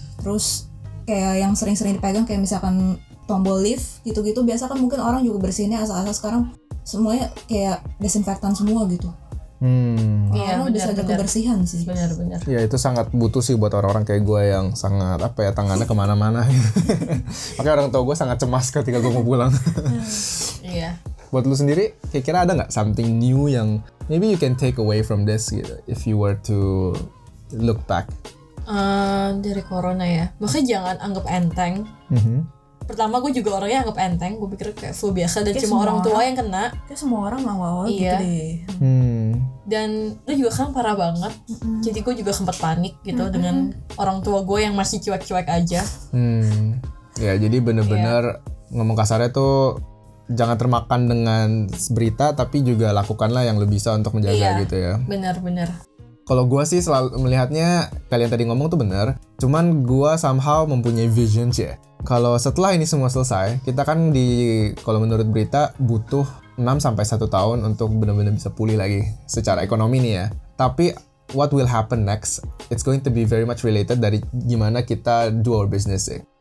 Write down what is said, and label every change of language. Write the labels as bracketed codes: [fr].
[id] Terus kayak yang sering-sering dipegang kayak misalkan tombol lift gitu-gitu, biasa kan mungkin orang juga bersihinnya asal-asal, sekarang semuanya kayak desinfektan semua gitu. Iya, orang lebih sadar kebersihan sih. Benar-benar. Ya itu sangat butuh sih buat orang-orang kayak gue yang sangat apa ya, tangannya kemana-mana. Makanya orang tua gue sangat cemas ketika gue mau pulang. Iya. Buat lu sendiri, kira-kira ada nggak [en] something new yang maybe you can take away from this gitu, if you were to look back? [id] Dari corona ya, makanya jangan anggap enteng. Mm-hmm. Pertama gue juga orangnya anggap enteng, gue pikir kayak flu biasa dan kayak cuma orang tua orang, yang kena. Kayak semua orang awal-awal gitu deh. Dan lu juga kan parah banget, jadi gue juga sempat panik gitu dengan orang tua gue yang masih cuek-cuek aja. Ya jadi bener-bener ngomong kasarnya tuh, jangan termakan dengan berita, tapi juga lakukanlah yang lu bisa untuk menjaga gitu ya. Benar-benar. Kalau gua sih selalu melihatnya, kalian tadi ngomong tuh benar. Cuman gua somehow mempunyai visions ya. Kalau setelah ini semua selesai, kita kan di kalau menurut berita butuh 6-1 tahun untuk benar-benar bisa pulih lagi secara ekonomi nih ya. [en] Tapi what will happen next, it's going to be very much related [id] dari gimana kita [en] do our business sih.